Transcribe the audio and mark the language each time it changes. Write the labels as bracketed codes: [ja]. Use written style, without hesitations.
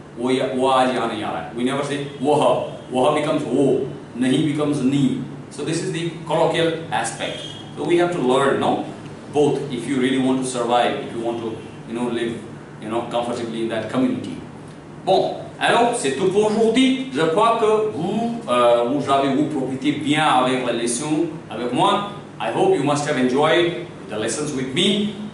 [en] We never say woha. Woha becomes wo. Nahi becomes ni. So this is the colloquial aspect. So we have to learn, no? Both, if you really want to survive, if you want to, you know, live, you know, comfortably in that community. [fr] Bon, alors, c'est tout pour aujourd'hui. Je crois que vous avez vous profité bien avec la leçon avec moi. [en] I hope you must have enjoyed the lessons with me.